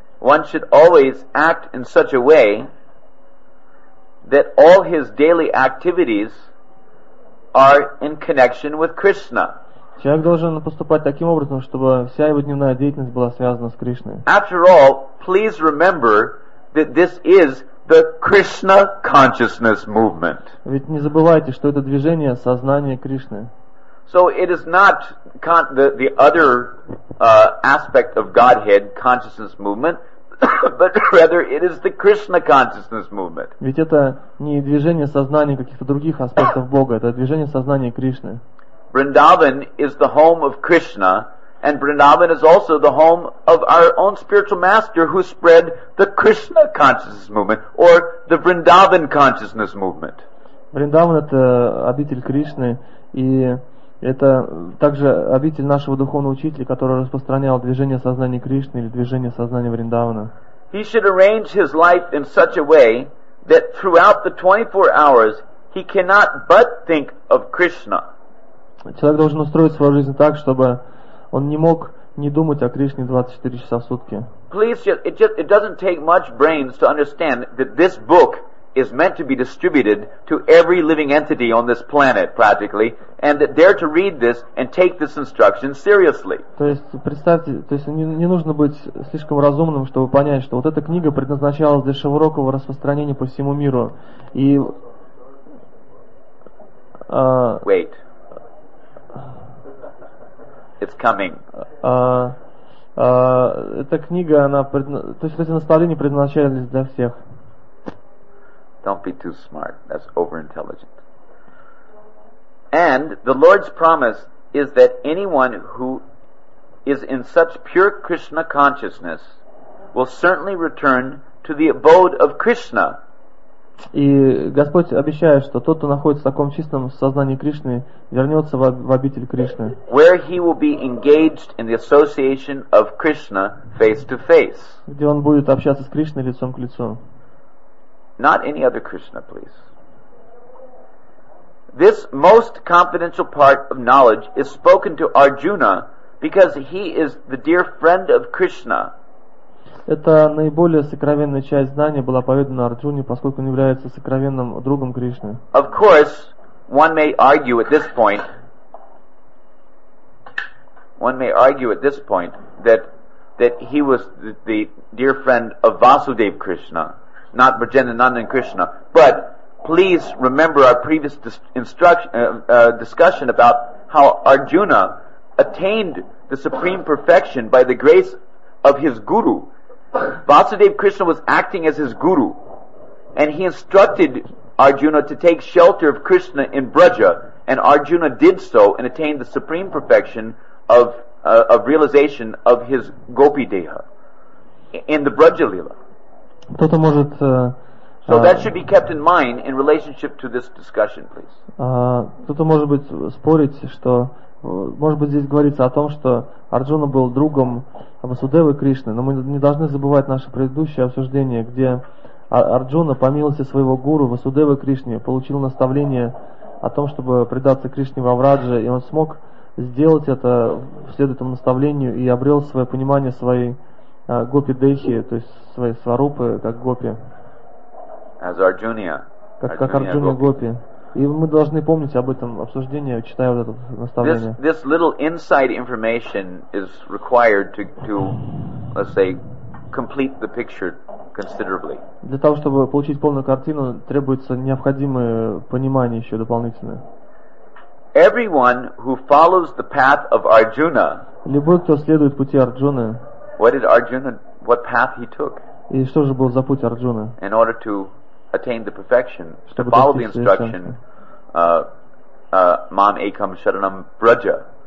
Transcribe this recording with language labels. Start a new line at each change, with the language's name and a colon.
English: One should always act in such a way that all his daily activities are in connection with Krishna.
Russian: Человек должен поступать таким образом, чтобы вся его дневная деятельность была связана с Кришной.
English: After all, please remember that this is the Krishna consciousness movement.
Russian: Ведь не забывайте, что это движение сознания Кришны.
English: So it is not the other aspect of Godhead consciousness movement, but rather it is the Krishna consciousness movement.
Russian: Ведь это не движение сознания каких-то других аспектов Бога, это движение сознания Кришны.
English: Vrindavan is the home of Krishna. And Vrindavan is also the home of our own spiritual master who spread the Krishna consciousness movement or the Vrindavan consciousness movement.
Russian: Vrindavan — это обитель Кришны, и Это также обитель нашего духовного учителя, который распространял движение сознания Кришны или движение сознания Вриндавана.
English: He should arrange his life in such a way that throughout the 24 hours he cannot but think of Krishna.
Russian: Человек должен устроить свою жизнь так, чтобы он не мог не думать о Кришне 24 часа в сутки.
English: Please, it doesn't take much brains to understand that this book is meant to be distributed to every living entity on this planet, practically, and that they're to read this and take this instruction seriously.
Russian: То есть представьте, то есть не нужно быть слишком разумным, чтобы понять, что вот эта книга предназначалась для широкого распространения по всему миру. И
English: wait. It's coming.
Russian: Эта книга, она то есть эти наставления предназначались для всех.
English: Don't be too smart. That's overintelligent. And the Lord's promise is that anyone who is in such pure Krishna consciousness will certainly return to the abode of Krishna.
Russian: И Господь обещает, что тот, кто находится в таком чистом сознании Кришны, вернется в обитель Кришны.
English: Where he will be engaged in the association of Krishna face to face.
Russian: Где он будет общаться с Кришной лицом к лицу.
English: Not any other Krishna, please. This most confidential part of knowledge is spoken to Arjuna because he is the dear friend of Krishna.
Russian: Это наиболее сокровенная часть знания была поведана Арджуне, поскольку он является сокровенным другом Кришны.
English: Of course, one may argue at this point. One may argue at this point that he was the dear friend of Vasudeva Krishna. Not Vrijendananda and Krishna, but please remember our previous discussion about how Arjuna attained the supreme perfection by the grace of his guru. Vasudeva Krishna was acting as his guru, and he instructed Arjuna to take shelter of Krishna in Braja, and Arjuna did so and attained the supreme perfection of realization of his gopi deha in the Braja Leela.
Russian: Кто-то может.
English: So that should be kept in mind in relationship to this discussion, please.
Russian: Кто-то может быть спорить, что может быть здесь говорится о том, что Арджуна был другом Васудевы Кришны, но мы не должны забывать наше предыдущее обсуждение, где Арджуна по милости своего гуру Васудевы Кришны получил наставление о том, чтобы предаться Кришне во Врадже, и он смог сделать это вслед этому наставлению и обрел свое понимание своей гопи дехи, то есть своей сварупы, как гопи.
English: As Arjuna.
Russian: Как Арджуна гопи. И мы должны помнить об этом обсуждении, читая вот это наставление.
English: This little inside information is required to let's say complete the picture considerably.
Russian: Для того, чтобы получить полную картину, требуется необходимое понимание еще дополнительное.
English: Everyone who follows the path of Arjuna.
Russian: Любой, кто следует пути Арджуны.
English: What did Arjuna, what path he took?
Russian: И что же был за путь Арджуны?
English: In order to attain the perfection, to follow the instruction,
Sanskrit: "Mam Ekam Sharanam Braja."